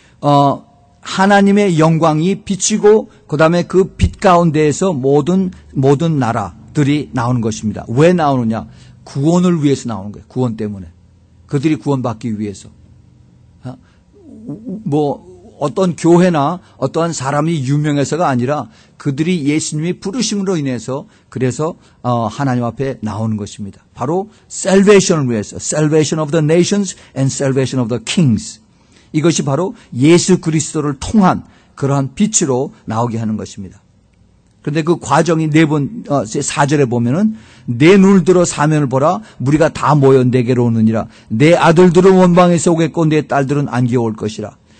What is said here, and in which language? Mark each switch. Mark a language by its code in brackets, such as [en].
[ko] 하나님의 영광이 비치고 그다음에 그 빛 가운데에서 모든 나라들이 나오는 것입니다. 왜 나오느냐? 구원을 위해서 나오는 거예요. 구원 때문에. 그들이 구원받기 위해서. 뭐 어떤 교회나 어떠한 사람이 유명해서가 아니라 그들이 예수님이 부르심으로 인해서 그래서 하나님 앞에 나오는 것입니다. 바로 salvation을 위해서. [en] Salvation of the nations and salvation of the kings. [ko] 이것이 바로 예수 그리스도를 통한 그러한 빛으로 나오게 하는 것입니다. 그런데 그 과정이 네 번, 4절에 보면은 내 눈을 들어 사면을 보라. 무리가 다 모여 내게로 오느니라. 내 아들들은 원방에서 오겠고 내 딸들은 안겨 올 것이라.